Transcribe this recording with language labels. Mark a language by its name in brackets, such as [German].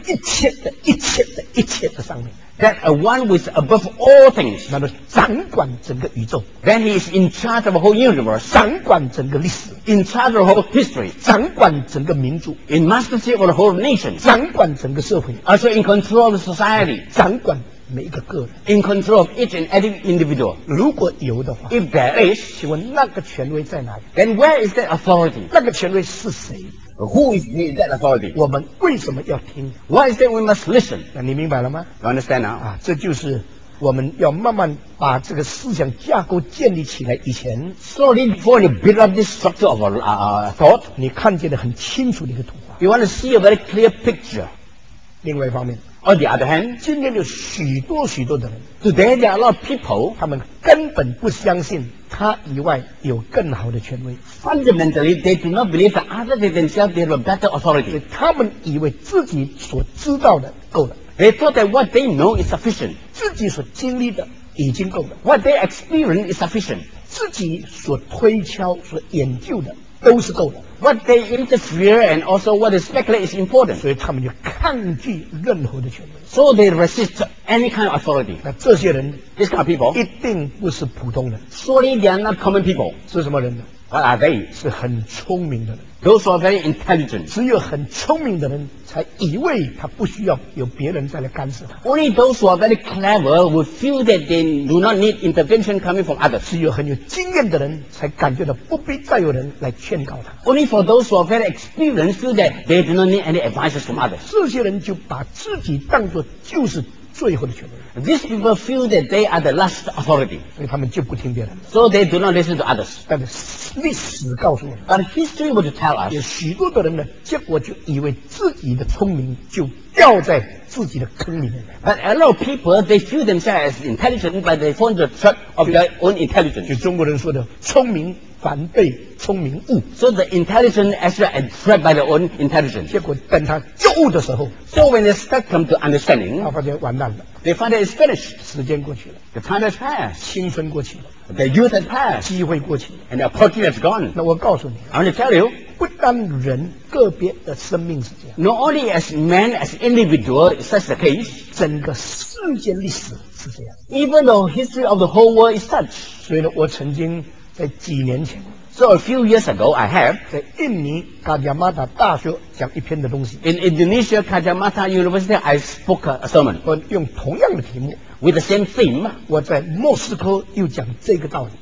[Chinese] 一切的一切的一切的上面。 [English] That a one who is above all things. [Chinese] 那么掌管整个宇宙。 [English] Then he is in charge of the whole universe. [Chinese] 掌管整个历史。 [English] In charge of the whole history. [Chinese] 掌管整个民族。 [English] In mastership of the whole nation. [Chinese] 掌管整个社会。 [English] Also in control of society. [Chinese] 掌管每一个个人。 [English] In control of each and every individual. [Chinese] 如果有的话。 [English] If there is. [Chinese] 请问那个权威在哪里？ [English] Then where is that authority? [Chinese] 那个权威是谁？ [English] Who is that authority? [Chinese] 我们为什么要听？ [English] Why is that we must listen? [Chinese] 那你明白了吗？ [English] You understand now? [Chinese] 啊，这就是我们要慢慢把这个思想架构建立起来以前。 [English] So before you build up this structure of thought, [Chinese] 你看见的很清楚的一个图画。 [English] You want to see a very clear picture. [Chinese] 另外一方面。 [English] On the other hand, [Chinese] 今天有许多许多的人。 [English] Today there are a lot of people, [Chinese] 他们根本不相信他以外有更好的权威。 [English] Fundamentally, they do not believe that other than themselves, they have a better authority. [Chinese] 他们以为自己所知道的够了。 [English] They thought that what they know is sufficient. [Chinese] 自己所经历的已经够了。 [English] What they experience is sufficient. [Chinese] 自己所推敲、所研究的都是够的。 [English] What they interfere and also what they speculate is important. [Chinese] 所以他们就抗拒任何的权威。 [English] So they resist any kind of authority. [Chinese] 那这些人 [English] ，these kind of people， [Chinese] 一定不是普通人。 [English] Surely they are not common people. [Chinese] 是什么人呢 [English] ？What are they？ [Chinese] 是很聪明的人。 [English] Those are very intelligent. [Chinese] 只有很聪明的人才以为他不需要有别人再来干涉他。 [English] Only those who are very clever will feel that they do not need intervention coming from others. [Chinese] 只有很有经验的人才感觉到不必再有人来劝告他。 [English] Only for those who are very experienced feel that they do not need any advices from others. [Chinese] 这些人就把自己当作就是最后的权威。 [English] These people feel that they are the last authority. [Chinese] 所以他们就不听别人。 [English] So they do not listen to others. [Chinese] 但是历史告诉我们。 [English] But history would tell us. [Chinese] 有许多的人呢，结果就以为自己的聪明就掉在自己的坑里面。 [English] But a lot of people, they feel themselves as intelligent, but they fall into the trap of their own intelligence. [Chinese] 就中国人说的，聪明反被聪明误。 [English] So the intelligent actually entrapped by their own intelligence. [Chinese] 结果等他就悟的时候。 [English] So when they start come to understanding. [Chinese] 他发现完蛋了。 [English] They find it is finished. [Chinese] 时间过去了。 [English] The time has passed. [Chinese] 青春过去了。 [English] The youth has passed. [Chinese] 机会过去了。 [English] And the opportunity has gone. [Chinese] 那我告诉你。 [English] I want to tell you. [Chinese] 不单人个别的生命是这样。 [English] Not only as man, as individual, such the case. [Chinese] 整个世界历史是这样。 [English] Even the history of the whole world is such. [Chinese] 所以呢，我曾经在几年前。 [English] So a few years ago, I have [Chinese] 在印尼卡加马塔大学讲一篇的东西。 [English] In Indonesia, Kajamata University, I spoke a sermon. [Chinese] 我用同样的题目 [English] ，with the same theme. [Chinese] 我在莫斯科又讲这个道理。